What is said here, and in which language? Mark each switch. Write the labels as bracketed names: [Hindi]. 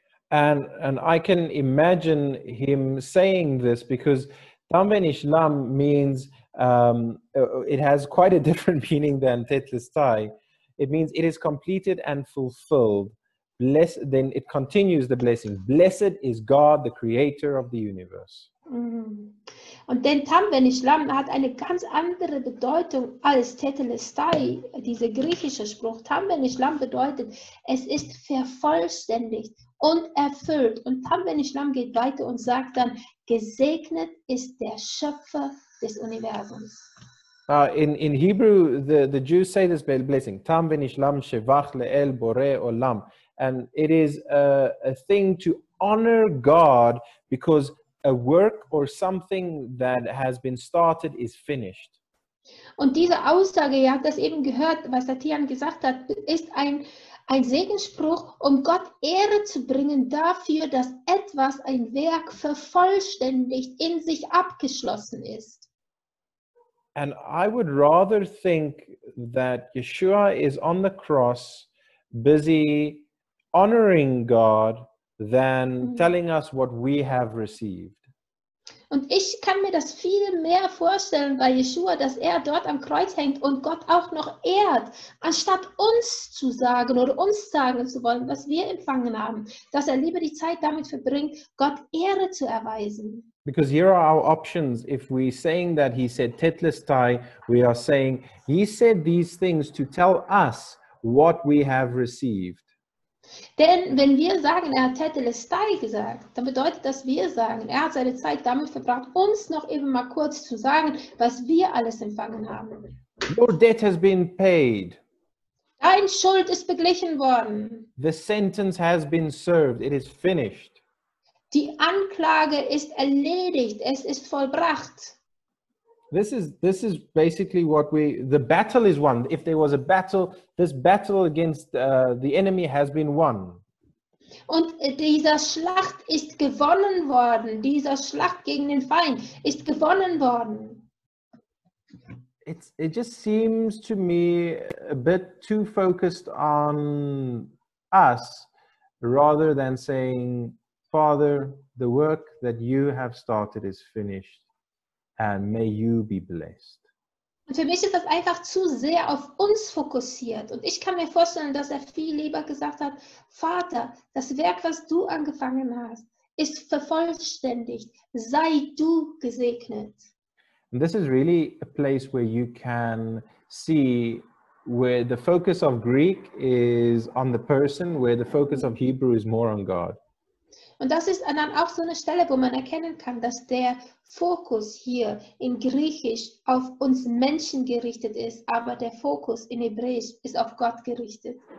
[English] And I can imagine him saying this because Tam Venishlam means it has quite a different meaning than Tetlestai. It means it is completed and fulfilled. Bless, then it continues the blessing. Blessed is God, the creator of the universe. [German] Und denn Tam Venishlam hat eine ganz andere Bedeutung als Tetelestai, dieser griechische Spruch. Tam Venishlam bedeutet, es ist vervollständigt und erfüllt. Und Tam Venishlam geht weiter und sagt dann, gesegnet ist der Schöpfer des Universums. [English] In Hebrew, the Jews say this blessing, [Hebrew] Tam Venishlam Shevach Le'el Bore Olam. [English] And it is a thing to honor God because a work or something that has been started is finished. [German] Und diese Aussage, ihr habt das eben gehört, was Tatian gesagt hat, ist ein Segensspruch, um Gott Ehre zu bringen dafür, dass etwas, ein Werk, vervollständigt, in sich abgeschlossen ist. [English] And I would rather think that Yeshua is on the cross, busy honoring God, than telling us what we have received. [German] Und ich kann mir das viel mehr vorstellen bei Yeshua, dass er dort am Kreuz hängt und Gott auch noch ehrt, anstatt uns zu sagen oder uns sagen zu wollen, was wir empfangen haben, dass er lieber die Zeit damit verbringt, Gott Ehre zu erweisen. [English] Because here are our options. If we're saying that he said Tetlestai, we are saying he said these things to tell us what we have received. [German] Denn wenn wir sagen, er hat Tetelestai gesagt, dann bedeutet das, wir sagen, er hat seine Zeit damit verbracht, uns noch eben mal kurz zu sagen, was wir alles empfangen haben. [English] Your debt has been paid. [German] Dein Schuld ist beglichen worden. [English] The sentence has been served. It is finished. [German] Die Anklage ist erledigt. Es ist vollbracht. [English] This is basically what we, the battle is won. If there was a battle, this battle against the enemy has been won. [German] Und dieser Schlacht ist gewonnen worden. Dieser Schlacht gegen den Feind ist gewonnen worden. [English] It just seems to me a bit too focused on us rather than saying, Father, the work that you have started is finished. And may you be blessed. [German] Und für mich ist das einfach zu sehr auf uns fokussiert. Und ich kann mir vorstellen, dass er viel lieber gesagt hat, Vater, das Werk, was du angefangen hast, ist vervollständigt. Sei du gesegnet. [English] And this is really a place where you can see where the focus of Greek is on the person, where the focus of Hebrew is more on God. [German] Und das ist dann auch so eine Stelle, wo man erkennen kann, dass der Fokus hier in Griechisch auf uns Menschen gerichtet ist, aber der Fokus in Hebräisch ist auf Gott gerichtet.